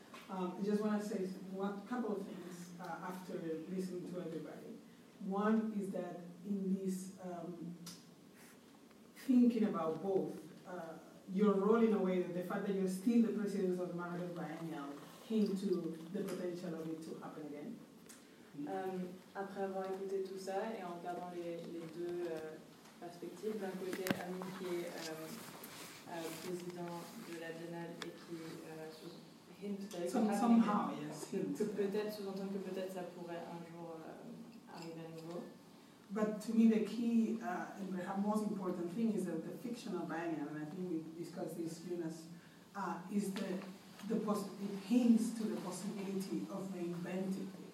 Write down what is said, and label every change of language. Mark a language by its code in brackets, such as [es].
[en] I just want to say a couple of things after listening to everybody. One is that in this thinking about both, your role in a way, that the fact that you're still the president of the Maracash Biennial came to the potential of it to happen again. [fr] Après avoir écouté tout ça et en regardant les deux perspectives, d'un côté Amine qui est président de la Biennale et qui peut-être sous-entend que peut-être ça pourrait un jour arriver à nouveau. [en] But to me the key and perhaps most important thing is that the fictional Biennale, and I think we discussed this, Jonas, is the it hints to the possibility of reinventing.